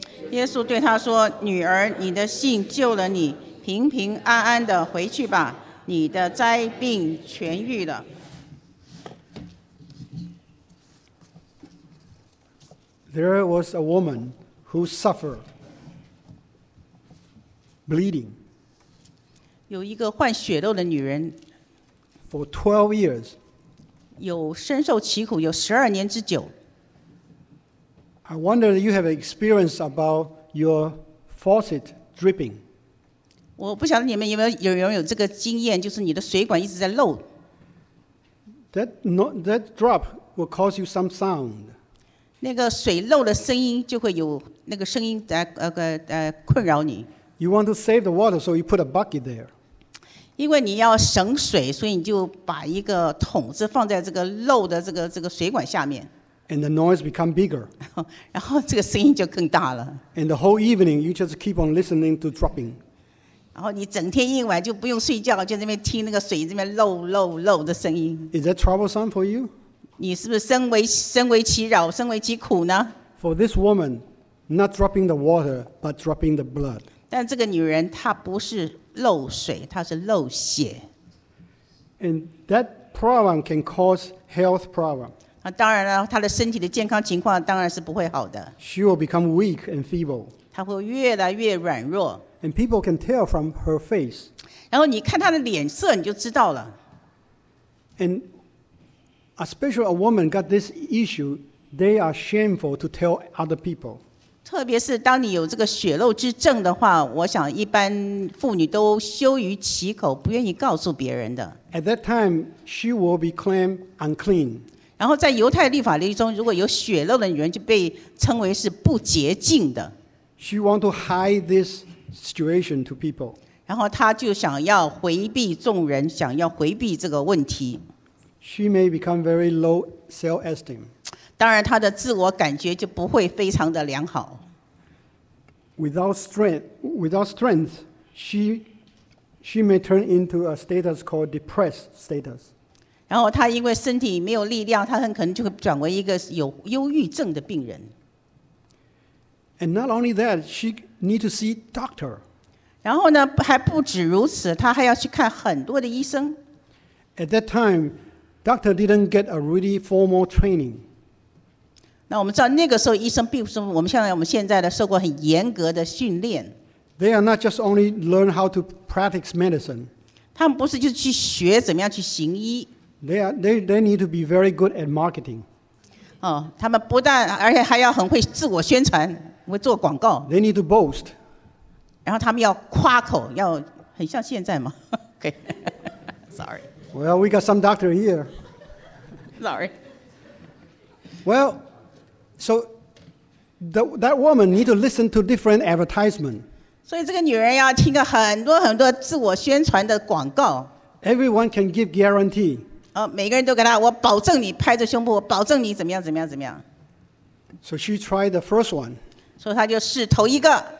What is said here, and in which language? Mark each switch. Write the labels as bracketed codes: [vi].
[zh] 耶稣对她说：“女儿，你的信救了你，平平安安的回去吧，你的灾病痊愈了。” [en] There was a woman who suffered bleeding. [zh] 有一个患血漏的女人。 [en] For 12 years. [zh] 有深受其苦，有十二年之久。 [en] I wonder if you have experience about your faucet dripping. [zh] 我不晓得你们有没有人有这个经验，就是你的水管一直在漏。 [en] That drop will cause you some sound. [zh] 那个水漏的声音就会有那个声音在困扰你。 [en] You want to save the water, so you put a bucket there. [zh] 因为你要省水，所以你就把一个桶子放在这个漏的这个水管下面。 [en] And the noise become bigger. [zh] 然后这个声音就更大了。 [en] And the whole evening, you just keep on listening to dropping. [zh] 然后你整天一晚就不用睡觉，就在那边听那个水这边漏漏漏的声音。 [en] Is that troublesome for you? [zh] 你是不是身为其扰，身为其苦呢？ [en] For this woman, not dropping the water, but dropping the blood. [zh] 但这个女人她不是漏水，她是漏血。 [en] And that problem can cause health problem. [zh] 那当然了，她的身体的健康情况当然是不会好的。 [en] She will become weak and feeble. [zh] 她会越来越软弱。 [en] And people can tell from her face. [zh] 然后你看她的脸色，你就知道了。 [en] And especially a woman got this issue, they are shameful to tell other people. [zh] 特别是当你有这个血漏之症的话，我想一般妇女都羞于启口，不愿意告诉别人的。 [en] At that time, she will be claimed unclean. [zh] 然后在犹太律法律中，如果有血漏的女人就被称为是不洁净的。 [en] She want to hide this situation to people. [zh] 然后她就想要回避众人，想要回避这个问题。 [en] She may become very low self-esteem. [zh] 当然，他的自我感觉就不会非常的良好。 [en] Without strength, she she may turn into a status called depressed status. [zh] 然后她因为身体没有力量，她很可能就会转为一个有忧郁症的病人。 [en] And not only that, she need to see doctor. [zh] 然后呢，还不止如此，她还要去看很多的医生。 [en] At that time, doctor didn't get a really formal training. [zh] 那我们知道那个时候医生并不是我们像我们现在的受过很严格的训练。 [en] They are not just only learn how to practice medicine. [zh] 他们不是就是去学怎么样去行医。 [en] They need to be very good at marketing. [zh] 哦，他们不但而且还要很会自我宣传，会做广告。 [en] They need to boast. [zh] 然后他们要夸口，要很像现在嘛。 [en] Okay. Sorry. Well, we got some doctor here. Sorry. Well. So that woman need to listen to different advertisement. [zh] 所以这个女人要听个很多很多自我宣传的广告。 [en] Everyone can give guarantee. [zh] 哦，每个人都给她，我保证你，拍着胸脯，我保证你怎么样怎么样怎么样。 [en] So she tried the first one. [zh] 所以她就试头一个。